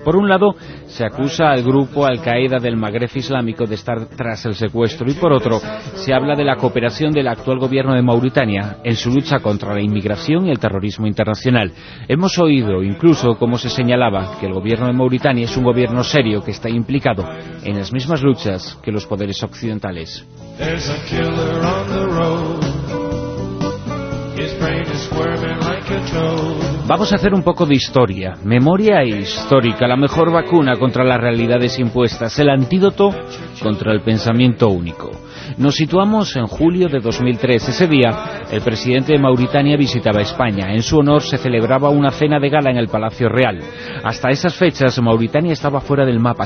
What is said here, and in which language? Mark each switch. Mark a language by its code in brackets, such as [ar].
[es] Por un lado, se acusa al grupo Al Qaeda del Magreb Islámico de estar tras el secuestro, y por otro, se habla de la cooperación del actual gobierno de Mauritania en su lucha contra la inmigración y el terrorismo internacional. Hemos oído incluso cómo se señalaba que el gobierno de Mauritania es un gobierno serio que está implicado en las mismas luchas que los poderes occidentales. [en] There's a killer on the road. His brain is squirming like a toad. [es] Vamos a hacer un poco de historia, memoria histórica, la mejor vacuna contra las realidades impuestas, el antídoto contra el pensamiento único. Nos situamos en julio de 2003. Ese día, el presidente de Mauritania visitaba España. En su honor se celebraba una cena de gala en el Palacio Real. Hasta esas fechas, Mauritania estaba fuera del mapa.